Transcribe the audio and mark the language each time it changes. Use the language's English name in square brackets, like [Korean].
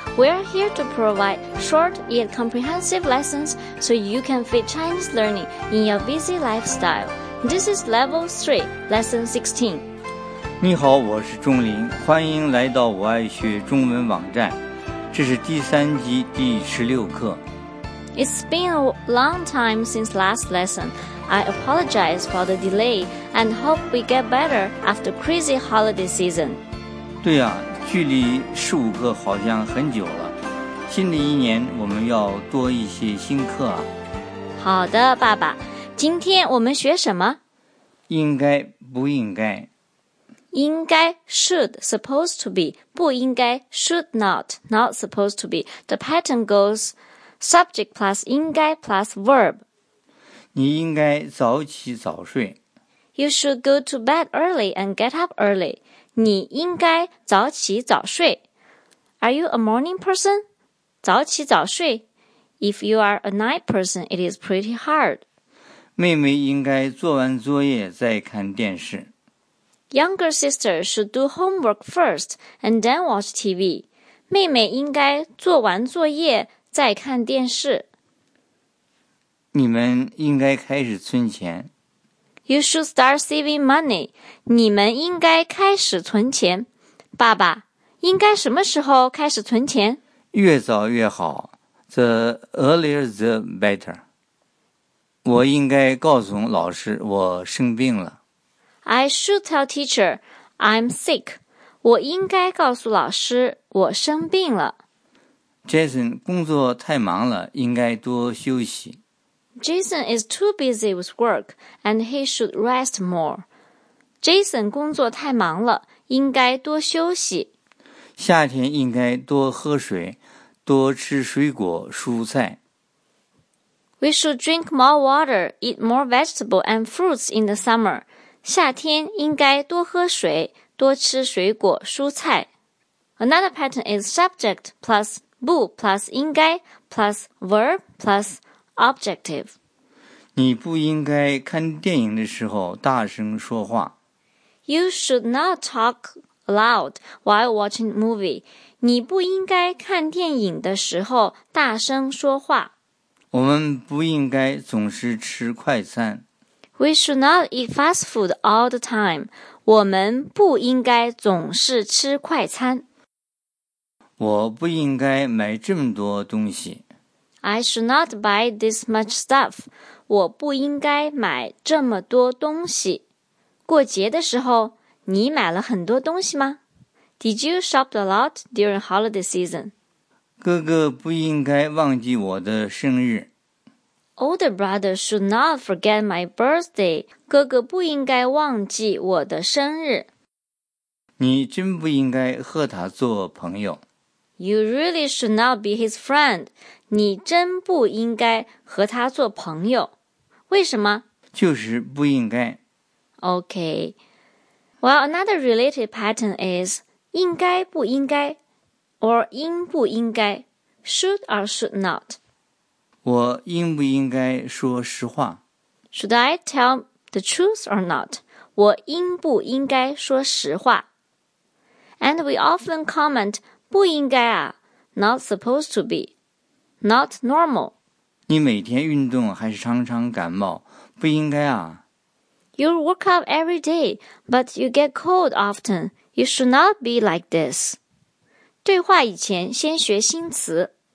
[English] We are here to provide short yet comprehensive lessons so you can fit Chinese learning in your busy lifestyle. This is Level 3, Lesson 16. [Chinese] 你好，我是钟林，欢迎来到我爱学中文网站。这是第三集第十六课。 [English] It's been a long time since last lesson. I apologize for the delay and hope we get better after crazy holiday season. [Chinese] 对呀、啊，距离十五课好像很久了。新的一年我们要多一些新课啊。好的，爸爸，今天我们学什么？应该不应该？ [English] 应该 should supposed to be 不应该 should not not supposed to be the pattern goes subject plus 应该 plus verb [Chinese] 你应该早起早睡 [English] you should go to bed early and get up early [Chinese] 你应该早起早睡 [English] are you a morning person [Chinese] 早起早睡 [English] if you are a night person it is pretty hard [Chinese] 妹妹应该做完作业再看电视 [English] Younger sister should do homework first and then watch TV. [Chinese] 妹妹应该做完作业再看电视。你们应该开始存钱。 [English] You should start saving money. [Chinese] 你们应该开始存钱。爸爸，应该什么时候开始存钱？越早越好。 [English] The earlier the better. [Chinese] 我应该告诉老师我生病了。 [English] I should tell teacher, I'm sick. [Chinese] 我应该告诉老师我生病了。 Jason 工作太忙了，应该多休息。 [English] Jason is too busy with work, and he should rest more. [Chinese] Jason 工作太忙了，应该多休息。夏天应该多喝水，多吃水果蔬菜。 [English] We should drink more water, eat more vegetable and fruits in the summer. [Chinese] 夏天应该多喝水，多吃水果蔬菜。 [English] Another pattern is subject plus 不 plus 应该 plus verb plus objective. [Chinese] 你不应该看电影的时候大声说话。 [English] You should not talk loud while watching movie. [Chinese] 你不应该看电影的时候大声说话。我们不应该总是吃快餐。 [English] We should not eat fast food all the time. [Chinese] 我们不应该总是吃快餐。我不应该买这么多东西。 [English] I should not buy this much stuff. [Chinese] 我不应该买这么多东西。过节的时候，你买了很多东西吗？ [English] Did you shop a lot during holiday season? [Chinese] 哥哥不应该忘记我的生日。 [English] Older brother should not forget my birthday. [Chinese] 哥哥不应该忘记我的生日。你真不应该和他做朋友。 [English] You really should not be his friend. [Chinese] 你真不应该和他做朋友。为什么？就是不应该。 [English] Okay. Well, another related pattern is 应该不应该 or 应不应该 should or should not. [Chinese] 我应不应该说实话 [English] Should I tell the truth or not? [Chinese] 我应不应该说实话 [English] And we often comment [Chinese] 不应该啊 [English] Not supposed to be Not normal [Chinese] 你每天运动还是常常感冒不应该啊 [English] You work out every day But you get cold often You should not be like this [Chinese] 对话以前先学新词